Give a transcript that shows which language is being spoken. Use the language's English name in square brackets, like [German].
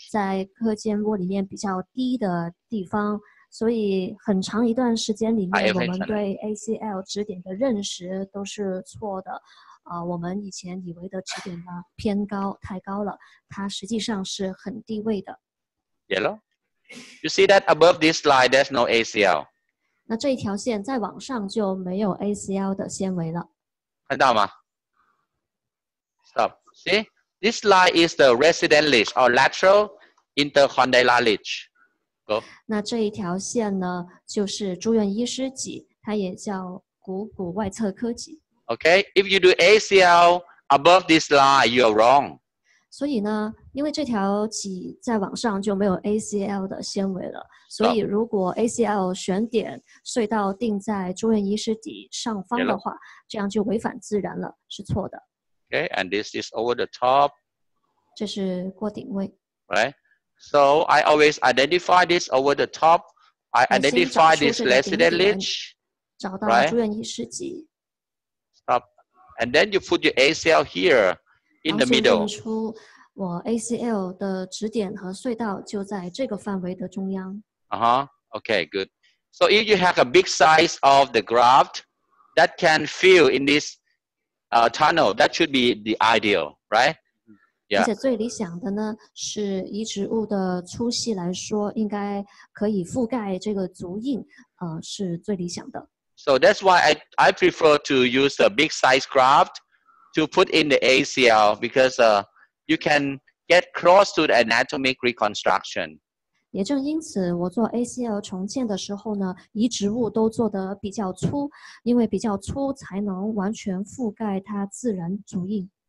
[Chinese] 在髁间窝里面比较低的地方, 所以很长一段时间里面我们对 ACL 指点的认识都是错的、我们以前以为的指点呢偏高太高了，它实际上是很低位的。 [English] Yellow? You see that above this line there's no ACL. [Chinese] 那这一条线再往上就没有 ACL 的纤维了，看到吗？ [English] Stop. See? This line is the resident ledge or lateral intercondylar ledge. Go. [Chinese] 那这一条线呢就是住院医师脊，它也叫股骨外侧髁脊。 [English] Okay, if you do ACL above this line, you are wrong. [Chinese] 所以呢因为这条脊在往上就没有 ACL 的纤维了，所以如果 ACL 选点隧道定在住院医师脊上方的话，这样就违反自然了，是错的。 [English] Okay, and this is over the top. [Chinese] 这是过顶位。 [English] Right? So I always identify this over the top. I identify this resident ledge. [Chinese] 找到了住院医师脊。 [English] Stop. And then you put your ACL here in the middle. [Chinese] 然后就认出我 ACL 的指点和隧道就在这个范围的中央。 [English] Uh-huh. Okay, good. So if you have a big size of the graft that can fill in this tunnel, that should be the ideal, right? Yeah. [Chinese] 而且最理想的呢，是移植物的粗细来说，应该可以覆盖这个足印，是最理想的。 [English] So that's why I prefer to use a big size graft to put in the ACL because you can get close to the anatomic reconstruction. [Chinese] 也正因此，我做 ACL 重建的时候呢，移植物都做得比较粗，因为比较粗才能完全覆盖它自然足印。